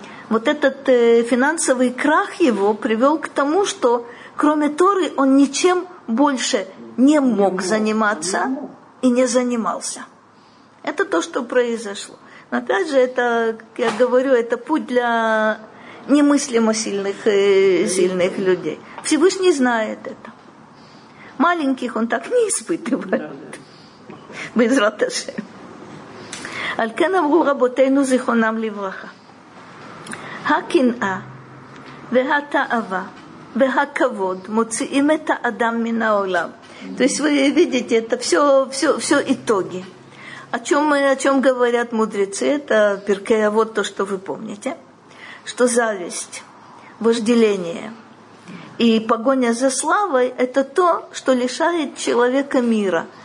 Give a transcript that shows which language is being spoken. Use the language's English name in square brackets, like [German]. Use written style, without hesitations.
[Russian] Вот этот финансовый крах его привел к тому, что кроме Торы он ничем больше не мог заниматься и не занимался. Это то, что произошло. Но опять же, это, как я говорю, это путь для немыслимо сильных людей. Всевышний знает это. Маленьких он так не испытывает. [Hebrew] בעזרת השם. על כן אמרו רבותינו זיכרונם לברכה. הקנאה והתאווה והכבוד מוציאים את האדם מן העולם. [Russian] То есть вы видите, это все итоги. О чем говорят мудрецы, это перкея, вот то, что вы помните. Что зависть, вожделение и погоня за славой, это то, что лишает человека мира.